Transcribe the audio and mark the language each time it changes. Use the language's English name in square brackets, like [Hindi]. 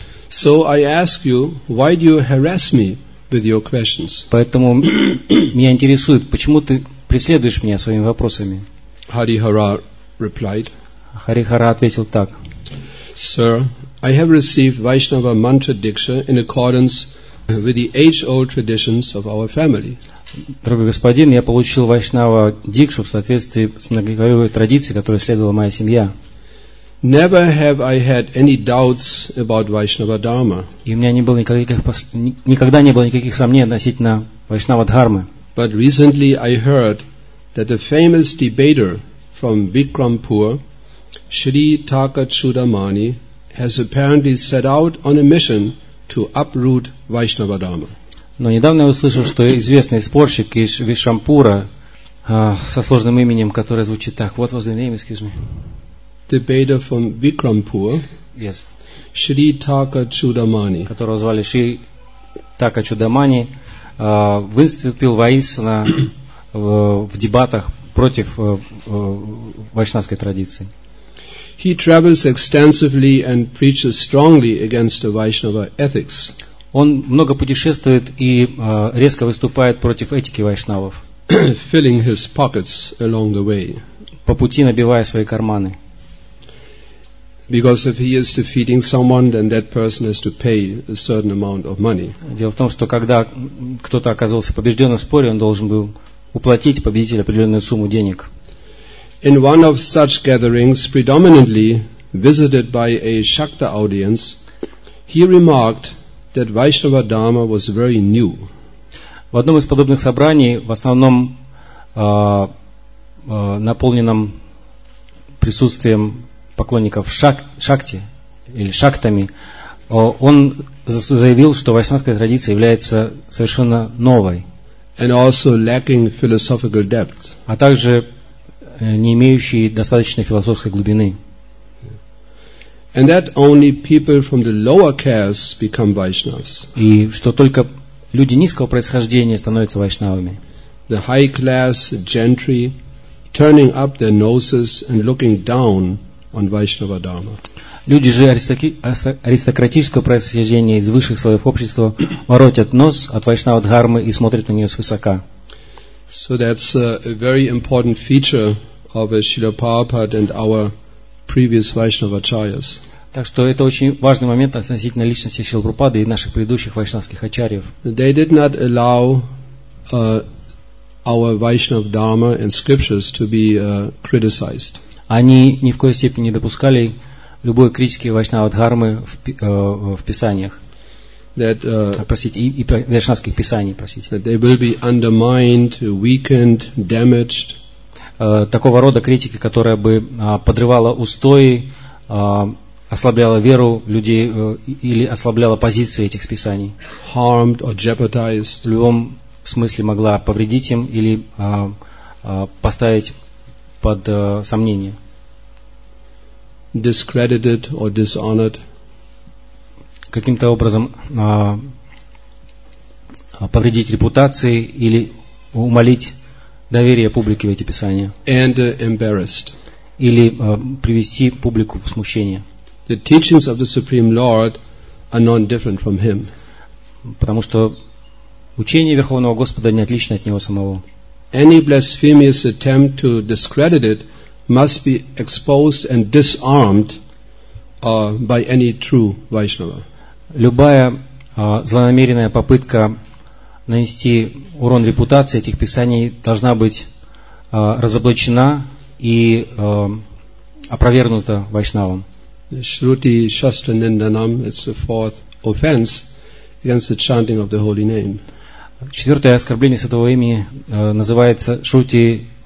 [English] So I ask you, why do you harass me with your questions? [Russian] Поэтому меня интересует, почему ты преследуешь меня своими вопросами? [English] Harihara replied. [Russian] Харихара ответил так. [English] Sir, I have received Vaishnava mantra diksha in accordance with the age-old traditions of our family. [Russian] Дорогой господин, я получил Вайшнава дикшу в соответствии с многовековой традицией, которую следовала моя семья. [English] Never have I had any doubts about Vaishnava Dharma. [Russian] И у меня не было никогда не было никаких сомнений относительно Вайшнава Дхармы. [English] But recently I heard that a famous debater from Vikrampur, Shri Takachudamani, has apparently set out on a mission to uproot Vaishnava Dharma. [Russian] Но недавно я услышал, что известный спорщик из Вишампура, со сложным именем, которое звучит так. [English] What was the name, excuse me? The Beta from Vikrampur. Yes. Shri Taka Chudamani. [Russian] Которого звали Шри Така Чудамани, выступил воинственно в дебатах против вайшнавской традиции. [English] He travels extensively and preaches strongly against the Vaishnava ethics. [Russian] Он много путешествует и резко выступает против этики вайшнавов. [English] Filling his pockets along the way. [Russian] По пути набивая свои карманы. [English] Because if he is defeating someone, then that person has to pay a certain amount of money. [Russian] Дело в том, что когда кто-то оказывался побежденным в споре, он должен был уплатить победителю определенную сумму денег. [English] In one of such gatherings, predominantly visited by a Shakta audience, he remarked that Vaishnava Dharma was very new. [Russian] В одном из подобных собраний, в основном наполненном присутствием поклонников шакти или шактами, он заявил, что вайшнавская традиция является совершенно новой. [English] And also lacking philosophical depth. [Russian] А также не имеющей достаточной философской глубины. [English] And that only people from the lower castes become Vaishnavas. [Russian] И что только люди низкого происхождения становятся вайшнавами. [English] The high class gentry turning up their noses and looking down on Vaishnava Dharma. [Russian] Люди же аристократического происхождения из высших слоев общества воротят нос от вайшнава дхармы и смотрят на нее свысока. [English] So that's a very important feature of Srila Prabhupada and our previous Vaishnava acharyas. [Russian] Так что это очень важный момент относительно личности Шрилы Прабхупады и наших предыдущих вайшнавских ачарьев. [English] They did not allow our Vaishnava dharma and scriptures to be criticized. [Russian] Они ни в коей степени не допускали любой критики вайшнава дхармы в писаниях. Вайшнавских писаний, простите. [English] That they will be undermined, weakened, damaged. [Russian] Такого рода критики, которая бы подрывала устои, ослабляла веру людей или ослабляла позиции этих писаний. [English] Harmed or jeopardized. [Russian] В любом смысле могла повредить им или поставить под сомнение. [English] Discredited or dishonored. [Russian] Каким-то образом повредить репутации или умалить доверие публики в эти писания. [English] And embarrassed. [Russian] Или привести публику в смущение. [English] The teachings of the Supreme Lord are none different from him. [Russian] Потому что учение Верховного Господа не отлично от него самого. [English] Any blasphemous attempt to discredit it must be exposed and disarmed by any true Vaishnava. [Russian] Любая злонамеренная попытка нанести урон репутации этих писаний должна быть разоблачена и опровергнута вайшнавом. [English] Shruti Shastra Nindanam, it's the fourth offense against the chanting of the holy name. [Russian] Четвертое оскорбление святого имени называется Shruti.